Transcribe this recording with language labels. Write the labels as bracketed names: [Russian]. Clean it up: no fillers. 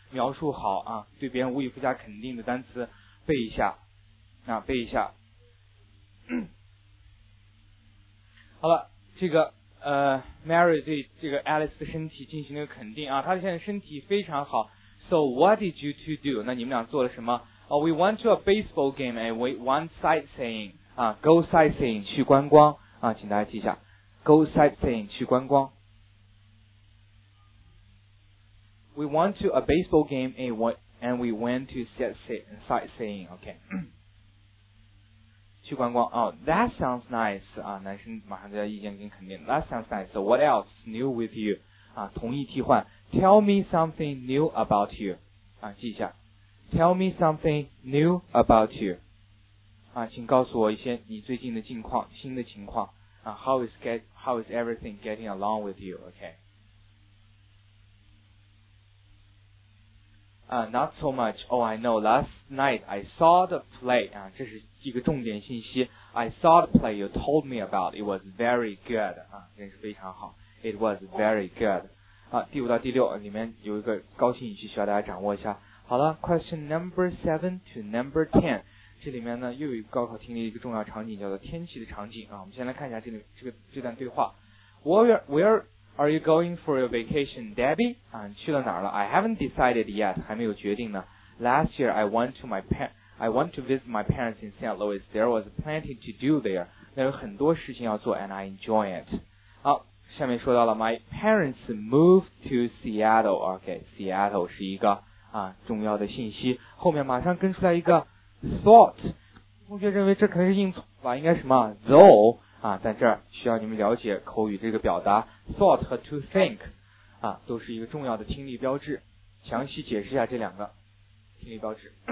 [Chinese] 描述好啊，对别人无以附加肯定的单词背一下啊，背一下。好了，这个Mary 对这个 Alice 的身体进行了肯定啊，她现在身体非常好。 [English] So what did you two do? [Chinese] 那你们俩做了什么？ [English] We went to a baseball game and we went sightseeing. [Chinese] 啊 ，go sightseeing 去观光啊，请大家记一下 ，go sightseeing 去观光。 [English] We went to a baseball game and we went to sightseeing. OK， [Chinese] 去观光啊。 [English] Oh, that sounds nice. [Chinese] 啊，男生马上就要意见跟肯定。 [English] That sounds nice. So what else new with you? [Chinese] 啊，同意替换。 [English] Tell me something new about you. [Chinese] 啊，记一下。 [English] Tell me something new about you. [Chinese] 啊，请告诉我一些你最近的近况，新的情况。 [English] 啊 ，How is everything getting along with you? Okay. 啊 ，not so much. Oh, I know. Last night I saw the play. [Chinese] 啊，这是一个重点信息。 [English] I saw the play you told me about. It was very good. [Chinese] 啊，真是非常好。 [English] It was very good. [Chinese] 啊，第五到第六里面有一个高兴语气需要大家掌握一下。好了 ，question number 7 to number 10，这里面呢又有一个高考听力一个重要场景，叫做天气的场景啊。我们先来看一下这段对话。 [English] Where are you going for your vacation, Debbie？ [Chinese] 啊，你去了哪儿了 ？ [English] I haven't decided yet， [Chinese] 还没有决定呢。 [English] Last year I went to visit my parents in St. Louis. There was plenty to do there. [Chinese] 那有很多事情要做 ， [English] and I enjoy it。 [Chinese] 好。下面说到了 [English] My parents moved to Seattle [Chinese] OK Seattle 是一个啊重要的信息后面马上跟出来一个 thought 同学认为这可能是硬错吧应该什么 though 啊在这儿需要你们了解口语这个表达 thought 和 to think 啊都是一个重要的听力标志详细解释一下这两个听力标志